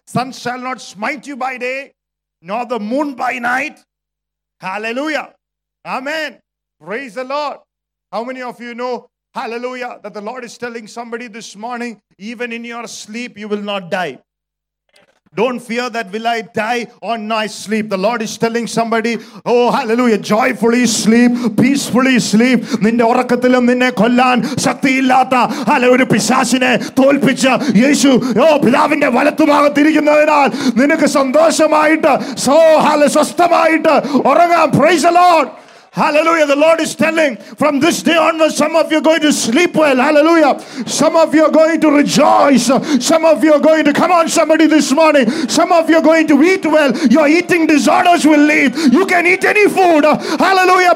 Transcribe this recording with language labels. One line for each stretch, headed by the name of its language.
English: Sun shall not smite you by day, nor the moon by night. Hallelujah. Amen. Praise the Lord. How many of you know, hallelujah, that the Lord is telling somebody this morning, even in your sleep, you will not die. Don't fear that, will I die or not sleep? The Lord is telling somebody, oh, hallelujah, joyfully sleep, peacefully sleep.
Malayalam: നിന്റെ ഉറക്കത്തിലും നിന്നെ കൊല്ലാൻ ശക്തിയില്ലാത്ത hallelujah പിശാചിനെ തോൽപ്പിച്ച് യേശു ഓ പിതാവിന്റെ വലത്തുഭാഗത്തിരിക്കുന്നതിനാൽ നിനക്ക് സന്തോഷമായിട്ട് സ്വസ്ഥമായിട്ട് ഉറങ്ങാം.
English: Praise the Lord. Hallelujah. The Lord is telling, from this day onwards, some of you are going to sleep well. Hallelujah. Some of you are going to rejoice. Some of you are going to, come on somebody this morning, some of you are going to eat well. Your eating disorders will leave. You can eat any food. Hallelujah.